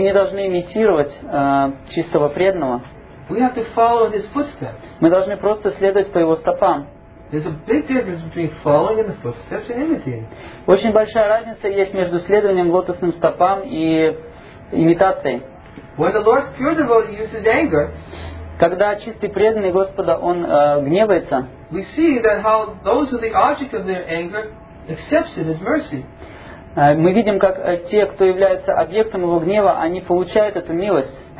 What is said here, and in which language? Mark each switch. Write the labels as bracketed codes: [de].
[ru] не должны имитировать чистого преданного. [en] We have to follow his footsteps. [ru] Мы должны просто следовать по его стопам. [en] There's a big difference between following in the footsteps and imitating. [ru] Очень большая разница есть между следованием лотосным стопам и имитацией. [en] When the Lord's pure devotee uses anger, [ru] когда чистый преданный Господа он гневается, [en] we see that how those who are the object of their anger accepts it as mercy. [ru] Мы видим, как те, кто является объектом его гнева, они получают эту милость.